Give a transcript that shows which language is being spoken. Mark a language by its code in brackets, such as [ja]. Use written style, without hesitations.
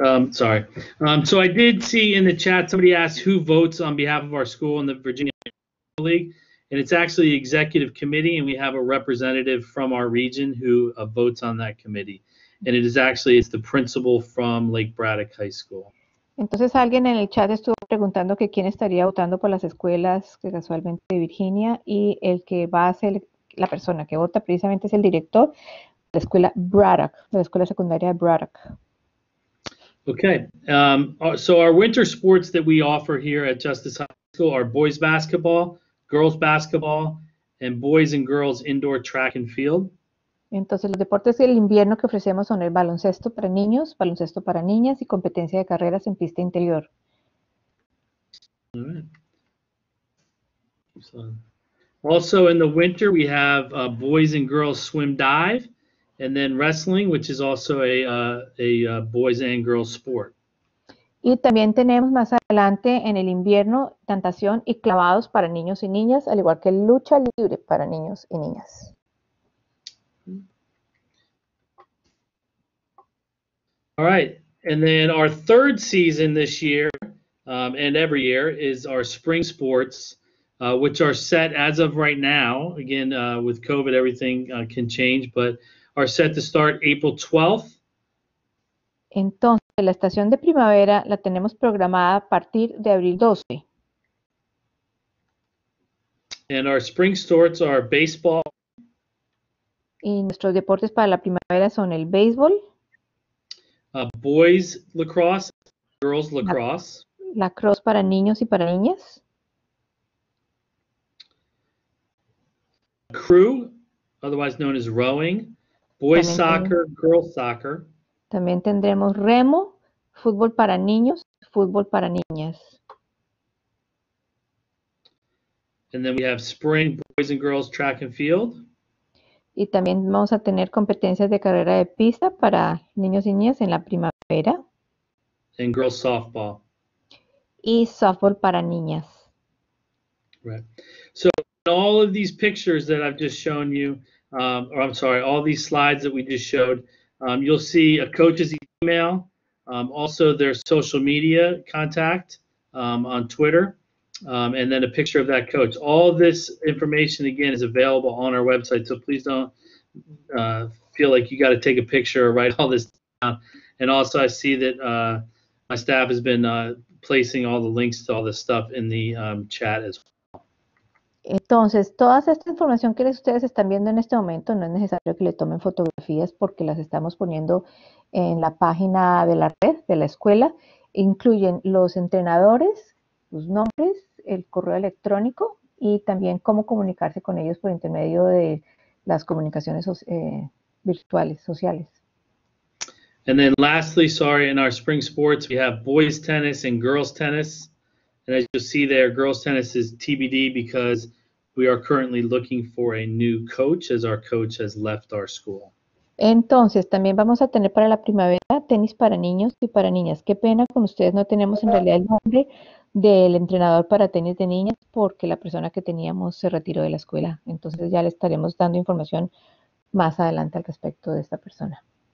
[en] So I did see in the chat, somebody asked who votes on behalf of our school in the Virginia League, and it's actually the executive committee, and we have a representative from our region who votes on that committee. And it's the principal from Lake Braddock High School. [es] Entonces alguien en el chat estuvo preguntando que quién estaría votando por las escuelas que casualmente de Virginia, y el que va a ser la persona que vota precisamente es el director de la escuela Braddock, de la escuela secundaria de Braddock. [en] Okay, so our winter sports that we offer here at Justice High School are boys basketball, girls basketball, and boys and girls indoor track and field. [es] Entonces los deportes del invierno que ofrecemos son el baloncesto para niños, baloncesto para niñas y competencia de carreras en pista interior. [en] Also in the winter we have boys and girls swim dive and then wrestling, which is also a boys and girls sport. [es] Y también tenemos más adelante en el invierno natación y clavados para niños y niñas, al igual que lucha libre para niños y niñas. [en] All right, and then our third season this year and every year is our spring sports, which are set as of right now, again, with COVID, everything can change, but are set to start April 12th. [es] Entonces, la estación de primavera la tenemos programada a partir de abril 12. [en] And our spring sports are baseball. [es] Y nuestros deportes para la primavera son el béisbol. [en] Boys lacrosse, girls lacrosse. [es] Lacrosse para niños y para niñas. [en] Crew, otherwise known as rowing. Boys soccer, girls soccer. [es] También tendremos remo, fútbol para niños, fútbol para niñas. [en] And then we have spring, boys and girls track and field. [es] Y también vamos a tener competencias de carrera de pista para niños y niñas en la primavera. [en] And girls softball. [es] Y softball para niñas. [en] Right. So in all of these pictures that I've just shown you, all these slides that we just showed, You'll see a coach's email, also their social media contact on Twitter, and then a picture of that coach. All this information, again, is available on our website, so please don't feel like you got to take a picture or write all this down. And also, I see that my staff has been placing all the links to all this stuff in the chat as well. [es] Entonces, toda esta información que ustedes están viendo en este momento, no es necesario que le tomen fotografías porque las estamos poniendo en la página de la red, de la escuela. Incluyen los entrenadores, sus nombres, el correo electrónico y también cómo comunicarse con ellos por intermedio de las comunicaciones virtuales, sociales. [en] And then lastly, sorry, in our spring sports, we have boys tennis and girls tennis. And as you see there, girls tennis is TBD because we are currently looking for a new coach as our coach has left our school. [es] Entonces, también vamos a tener para la primavera tenis para niños y para niñas. Qué pena con ustedes, no tenemos en realidad el nombre del entrenador para tenis de niñas porque la persona que teníamos se retiró de la escuela. Entonces, ya le estaremos dando información más adelante al respecto de esta persona.